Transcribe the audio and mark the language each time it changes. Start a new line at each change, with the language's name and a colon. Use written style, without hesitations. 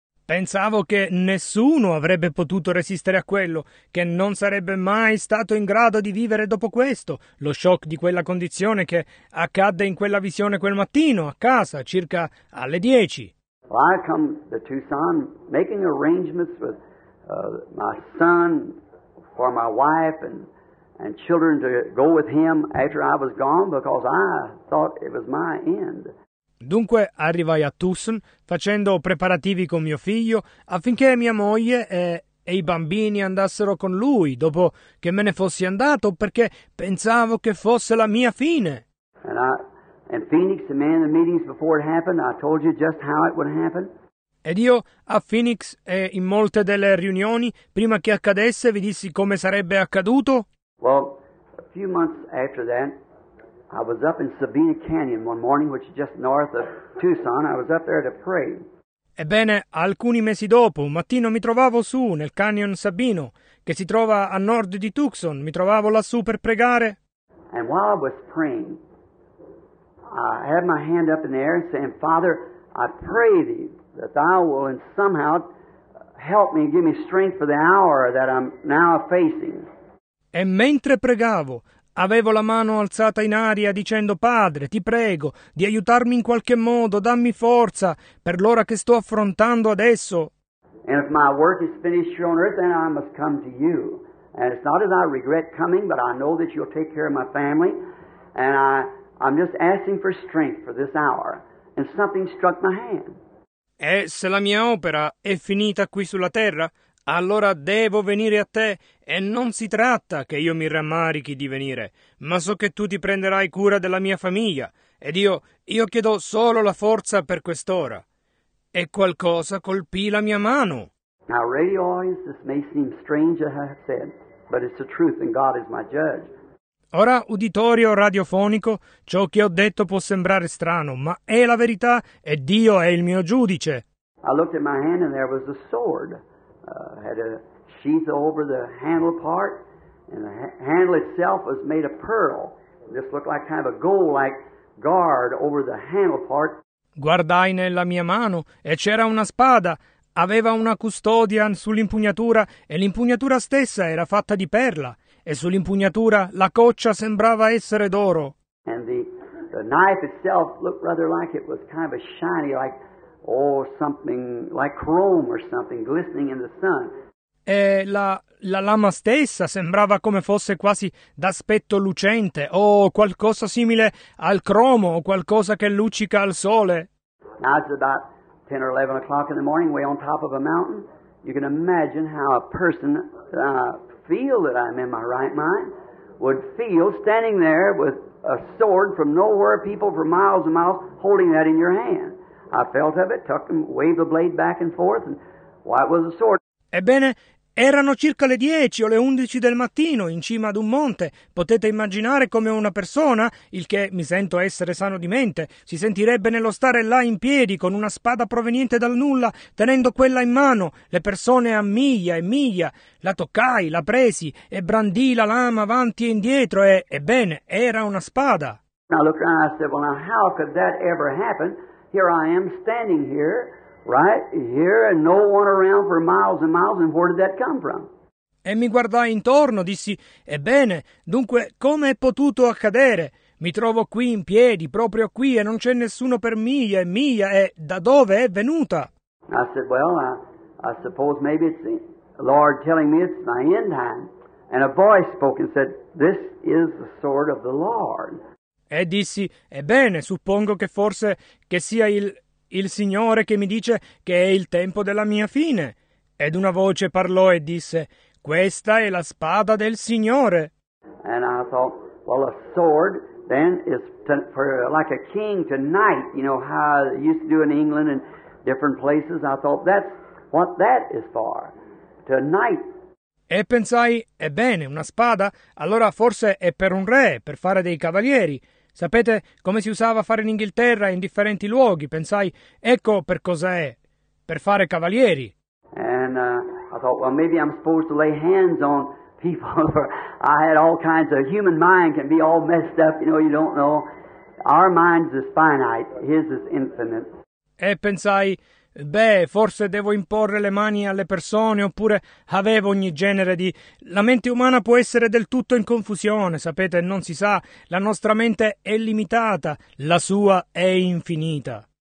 Italian: Pensavo che nessuno avrebbe potuto resistere a quello, che non sarebbe mai stato in grado di vivere dopo questo, lo shock di quella condizione che accadde in quella visione quel mattino, a casa, circa alle 10.
English: Well, I come to Tucson making arrangements with my son for my wife and children to go with him after I was gone because I thought it was my end.
Italian: Dunque arrivai a Tucson facendo preparativi con mio figlio affinché mia moglie e i bambini andassero con lui dopo che me ne fossi andato perché pensavo che fosse la mia fine.
English: In Phoenix, the man in the meetings before it happened, I told you just how it would happen.
Italian: Ed io a Phoenix e in molte delle riunioni prima che accadesse vi dissi come sarebbe accaduto.
English: Well, a few months after that, I was up in Sabina Canyon one morning, which is just north of Tucson. I was up there to pray.
Italian: Ebbene, alcuni mesi dopo, un mattino mi trovavo su nel Canyon Sabino, che si trova a nord di Tucson. Mi trovavo lassù per pregare.
English: And while I was praying, I had my hand up in the air saying, Father, I pray thee that thou will somehow help me and give me strength for the hour that I'm now facing.
Italian: E mentre pregavo, avevo la mano alzata in aria dicendo, Padre, ti prego di aiutarmi in qualche modo, dammi forza per l'ora che sto affrontando adesso.
English: And if my work is finished here on earth, then I must come to you. And it's not as I regret coming, but I know that you'll take care of my family. And I'm just asking for strength for this hour. And something struck my hand.
Italian: E se la mia opera è finita qui sulla terra, allora devo venire a te e non si tratta che io mi rammarichi di venire, ma so che tu ti prenderai cura della mia famiglia ed io chiedo solo la forza per quest'ora. E qualcosa colpì la mia mano.
English: Now, radio audience, this may seem strange, I have said, but it's the truth and God is my judge.
Italian: Ora, uditorio radiofonico, ciò che ho detto può sembrare strano, ma è la verità e Dio è il mio giudice.
English: I looked at my hand and there was a sword. Had a sheath over the handle part, and the handle itself was made of pearl. This looked like kind of a gold-like guard over the handle part.
Italian: Guardai nella mia mano, e c'era una spada. Aveva una custodia sull'impugnatura, e l'impugnatura stessa era fatta di perla. E sull'impugnatura la coccia sembrava essere d'oro.
English: And the knife itself looked rather like it was kind of a shiny, like, or something like chrome or something glistening in the sun.
Italian: E la lama stessa sembrava come fosse quasi d'aspetto lucente o qualcosa simile al cromo o qualcosa che luccica al sole.
English: Now it's about 10 or 11 o'clock in the morning, way on top of a mountain. You can imagine how a person feel that I'm in my right mind would feel standing there with a sword from nowhere, people for miles and miles holding that in your hand. I felt of it, tucked and waved the blade back and forth, and why it was a sword.
Italian: Ebbene, erano circa le 10 o le 11 del mattino, in cima ad un monte. Potete immaginare come una persona, il che mi sento essere sano di mente, si sentirebbe nello stare là in piedi con una spada proveniente dal nulla, tenendo quella in mano, le persone a miglia e miglia. La toccai, la presi, e brandii la lama avanti e indietro, e, ebbene, era una spada.
English: I looked around and I said, well, now how could that ever happen? Here I am standing here, right here, and no one around for miles and miles, and where did that come from?
Italian: E mi guardai intorno, dissi, ebbene, dunque, come è potuto accadere? Mi trovo qui in piedi, proprio qui, e non c'è nessuno per miglia e miglia, e da dove è venuta?
English: I said, well, I suppose maybe it's the Lord telling me it's my end time. And a voice spoke and said, this is the sword of the Lord.
Italian: E dissi, ebbene, suppongo che forse che sia il Signore che mi dice che è il tempo della mia fine. Ed una voce parlò e disse, questa è la spada del Signore.
English: And I thought, well, a sword then is for like a king to knight, you know, how they used to do in England and different places. I thought, that's what that is for, to knight.
Italian: E pensai, ebbene, una spada, allora forse è per un re, per fare dei cavalieri. Sapete come si usava a fare in Inghilterra in differenti luoghi? Pensai, ecco per cosa è, per fare cavalieri.
English: And I thought, well, maybe I'm supposed to lay hands on people, or I had all kinds of human mind can be all messed up, you know, you don't know. Our minds is finite, his is infinite.
Italian: E pensai, beh, forse devo imporre le mani alle persone, oppure avevo ogni genere di... La mente umana può essere del tutto in confusione, sapete, non si sa. La nostra mente è limitata, la sua è infinita.